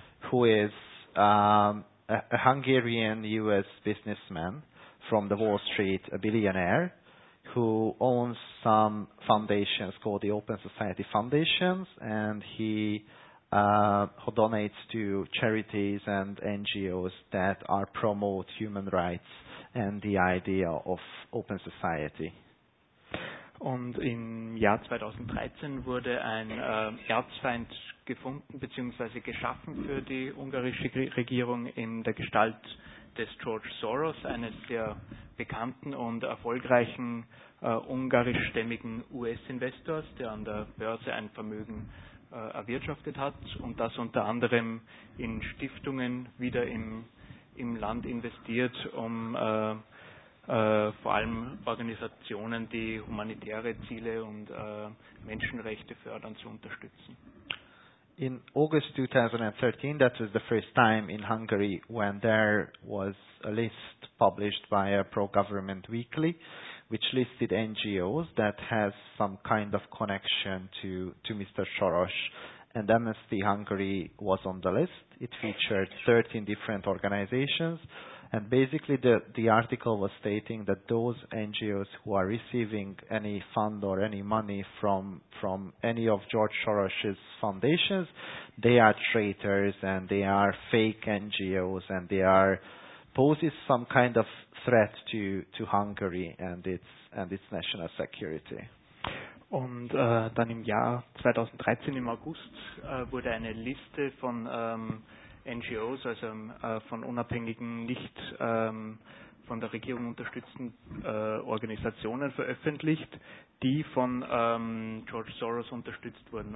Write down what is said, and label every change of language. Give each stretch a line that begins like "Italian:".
English: who is a Hungarian US businessman from the Wall Street, a billionaire, who owns some foundations called the Open Society Foundations, and he who donates to charities and NGOs that are promote human rights and the idea of open society.
German: Und im Jahr 2013 wurde ein Erzfeind gefunden bzw. geschaffen für die ungarische Regierung in der Gestalt des George Soros, eines der bekannten und erfolgreichen ungarischstämmigen US-Investors, der an der Börse ein Vermögen erwirtschaftet hat und das unter anderem in Stiftungen wieder im Land investiert, um vor allem Organisationen, die humanitäre Ziele und Menschenrechte fördern, zu unterstützen.
English: In August 2013, that was the first time in Hungary when there was a list published by a pro-government weekly, which listed NGOs that has some kind of connection to Mr. Soros. And Amnesty Hungary was on the list. It featured 13 different organizations. And basically the article was stating that those NGOs who are receiving any fund or any money from any of George Soros' foundations, they are traitors and they are fake NGOs and they are poses some kind of threat to Hungary and its national security.
German: Und dann im Jahr 2013 im August wurde eine Liste von NGOs, also von unabhängigen, nicht von der Regierung unterstützten Organisationen veröffentlicht, die von George Soros unterstützt wurden.